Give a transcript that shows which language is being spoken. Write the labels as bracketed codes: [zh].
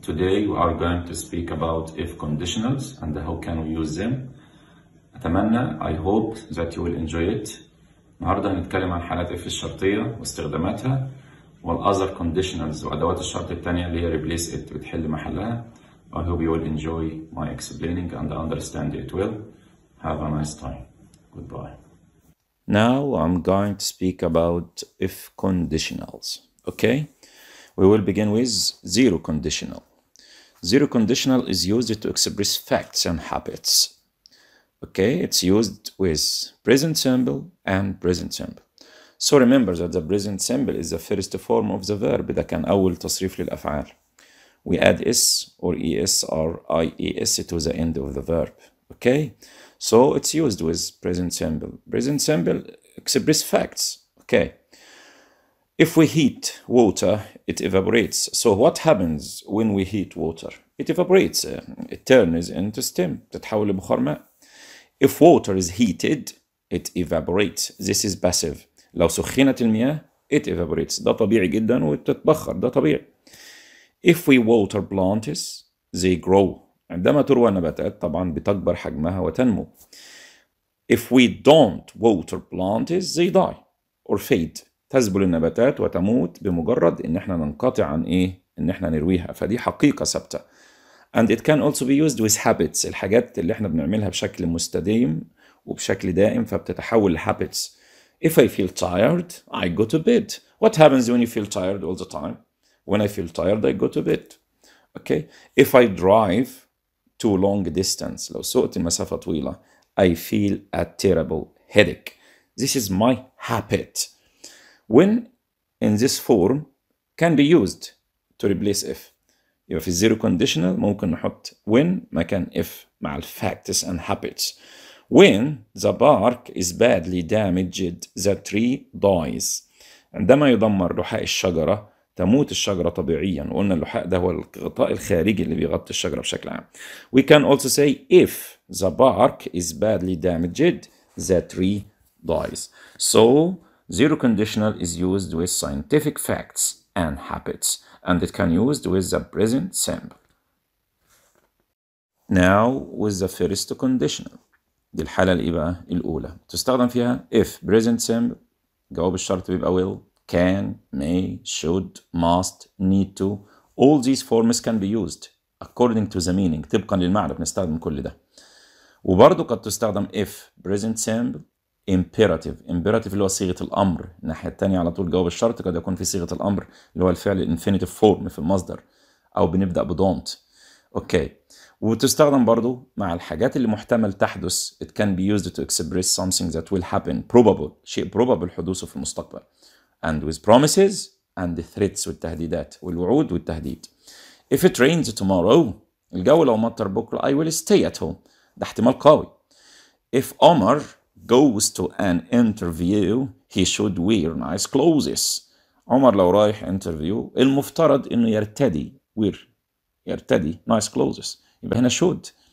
[en] Today we are going to speak about if conditionals and how can we use them. [ar] أتمنى, [en] I hope that you will enjoy it. [ar] النهاردة هنتكلم عن حالات if الشرطية واستخداماتها والother conditionals وأدوات الشرط التانية اللي هي [en] replace it [ar] بتحل محلها. [en] I hope you will enjoy my explaining and understand it well. Have a nice time. Goodbye. Now I'm going to speak about if conditionals. Okay, we will begin with zero conditional. Zero conditional is used to express facts and habits. Okay, it's used with present simple and present simple. So remember that the present simple is the first form of the verb. That can [ar] أول تصريف للأفعال. [en] We add S or ES or IES to the end of the verb. Okay, so it's used with present simple. Present simple express facts. Okay. If we heat water, it evaporates. So what happens when we heat water? It evaporates. It turns into steam. [ar] تتحول لبخار ماء. [en] If water is heated, it evaporates. This is passive. [ar] لو سخنت المياه, [en] it evaporates. [ar] ده طبيعي جدا وتتبخر. ده طبيعي. [en] If we water plants, they grow. [ar] عندما تروى النباتات, طبعا بتكبر حجمها وتنمو. [en] If we don't water plants, they die or fade. [ar] تذبل النباتات وتموت بمجرد ان احنا ننقطع عن ايه ان احنا نرويها فدي حقيقه ثابته [en] and it can also be used with habits [ar] الحاجات اللي احنا بنعملها بشكل مستديم وبشكل دائم فبتتحول لhabits [en] if I feel tired I go to bed what happens when you feel tired all the time when I feel tired I go to bed okay if I drive too long distance [ar] لو سوقت المسافة طويلة [en] I feel a terrible headache this is my habit When in this form can be used to replace if. [ar] يبقى في zero conditional ممكن نحط when مكان if مع [en] facts and habits. When the bark is badly damaged, the tree dies. [ar] عندما يدمر لحاء الشجرة تموت الشجرة طبيعيا. وقلنا اللحاء ده هو الغطاء الخارجي اللي بيغطي الشجرة بشكل عام. [en] We can also say if the bark is badly damaged, the tree dies. So Zero conditional is used with scientific facts and habits, and it can be used with the present simple. Now, with the first conditional. [ar] دي الحالة اللي بقى الأولى. تستخدم فيها if present simple. جواب الشرط بيبقى [en] will, can, may, should, must, need to. All these forms can be used according to the meaning. [ar] طبقا للمعنى بنستخدم كل ده. وبرضو قد تستخدم if present simple. [en] Imperative. [ar] Imperative اللي هو صيغة الأمر. الناحية التانية على طول جواب الشرط قد يكون في صيغة الأمر اللي هو الفعل infinitive form في المصدر أو بنبدأ بdon't. [en] Okay. [ar] وتستخدم برضو مع الحاجات اللي محتمل تحدث. [en] It can be used to express something that will happen. Probable. [ar] شيء probable حدوثه في المستقبل. [en] And with promises and threats [ar] والتهديدات والوعود والتهديد. [en] If it rains tomorrow, [ar] الجو لو مطر بكرة [en] I will stay at home. [ar] ده احتمال قوي. [en] If Omar goes to an interview he should wear nice clothes [ar] عمر لو رايح [en] interview [ar] المفترض انه يرتدي [en] wear يرتدي nice clothes [ar] يبقى هنا [en] should